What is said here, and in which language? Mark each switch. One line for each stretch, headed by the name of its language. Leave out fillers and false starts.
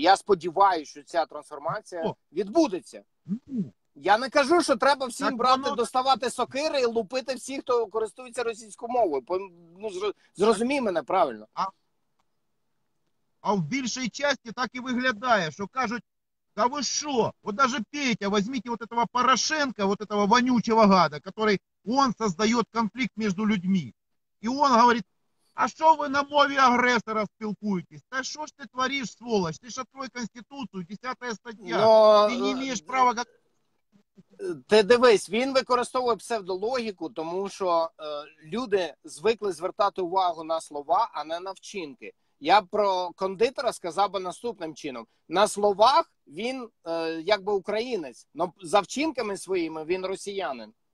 Ukrainian: Я сподіваюся, що ця трансформація відбудеться. Я не кажу, що треба всім брати, доставати сокири і лупити всіх, хто користується російською мовою. Ну, зрозумій мене правильно. А в більшій частині так і виглядає, що кажуть:
Russian: да вы что? Вот даже Петя, возьмите вот этого Порошенко, вот этого вонючего гада, который, он создает конфликт между людьми. И он говорит: а что вы на мове агрессора спілкуетесь? Да что ж ты творишь, сволочь? Ты ж открой Конституцию, 10-я статья. Но... ты не имеешь права...
Ukrainian: Ти дивись, він використовує псевдологіку, тому що люди звикли звертати увагу на слова, а не на вчинки. Я про кондитера сказав би наступним чином. На словах він якби українець, но за вчинками своїми він росіянин.